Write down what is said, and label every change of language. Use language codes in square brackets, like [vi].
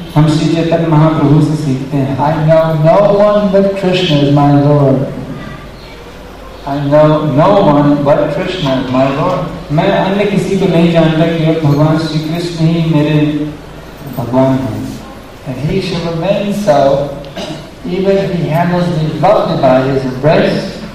[hi] हम श्री चैतन्य महाप्रभु से सीखते हैं. [en] I know no one but Krishna is my Lord. I know no one but Krishna, my Lord. [hi] मैं अन्य किसी को नहीं जानता कि भगवान श्री कृष्ण ही मेरे भगवान हैं. [en] And he shall remain so, even if he handles me lovingly by his embrace.